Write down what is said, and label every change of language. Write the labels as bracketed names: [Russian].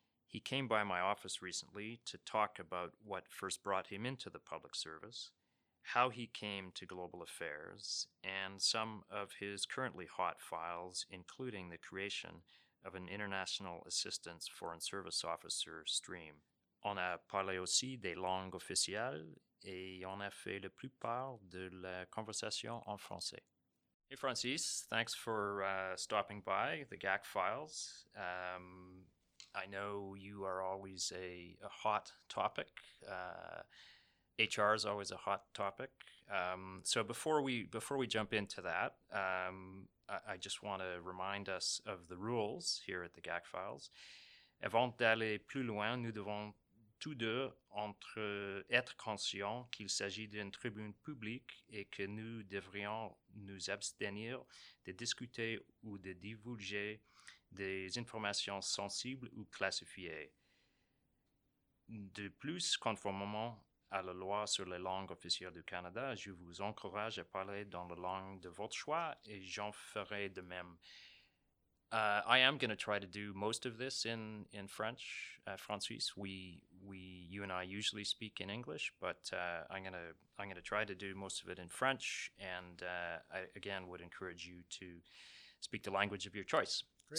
[English] He came by my office recently to talk about what first brought him into the public service, how he came to Global Affairs, and some of his currently hot files, including the creation of an International Assistance Foreign Service Officer stream. [French] On a parlé aussi des langues officielles et on a fait la plupart de la conversation en français. [English] Hey, Francis, thanks for stopping by the GAC Files. I know you are always a hot topic. HR is always a hot topic. So before we jump into that, I just want to remind us of the rules here at the GAC Files. [French] Avant d'aller plus loin, nous devons tous deux être conscients qu'il s'agit d'une tribune publique et que nous devrions nous abstenir de discuter ou de divulguer des informations sensibles ou classifiées. De plus, conformément à la loi sur les langues officielles du Canada, je vous encourage à parler dans la langue de votre choix et j'en ferai de même. [English] I am going to try to do most of this in French, Francis. You and I usually speak in English, but I'm going to try to do most of it in French, and I again would encourage you to speak the language of your choice. Great.